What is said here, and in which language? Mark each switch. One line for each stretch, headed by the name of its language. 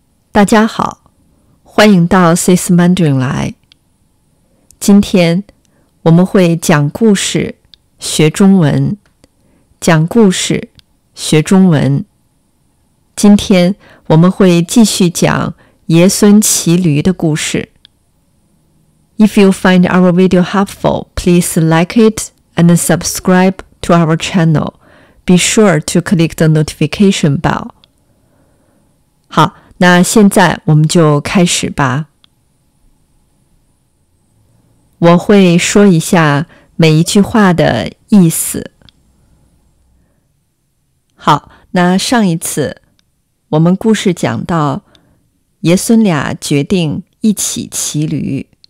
Chinese: 大家好，欢迎到 Sis Mandarin 来。今天我们会讲故事学中文，讲故事学中文。今天我们会继续讲爷孙骑驴的故事。
English: If you find our video helpful, please like it and subscribe to our channel. Be sure to click the notification bell.
Chinese: 好，那现在我们就开始吧。我会说一下每一句话的意思。好，那上一次我们故事讲到爷孙俩决定一起骑驴。